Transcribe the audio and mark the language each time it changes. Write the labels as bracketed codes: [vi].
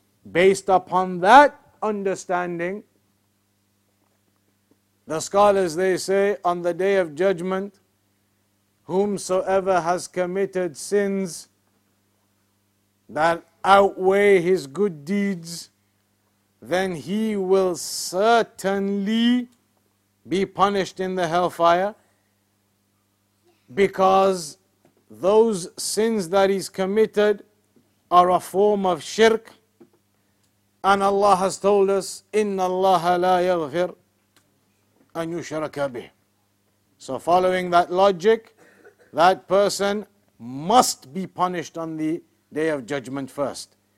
[en] Based upon that understanding, the scholars, they say, on the day of judgment, whomsoever has committed sins that outweigh his good deeds, then he will certainly be punished in the hellfire, because those sins that he's committed are a form of shirk. And Allah has told us, [ar] إِنَّ اللَّهَ لَا يَغْفِرْ أَنْ يُشْرَكَ بِهِ. [en] So following that logic, that person must be punished on the day of judgment first.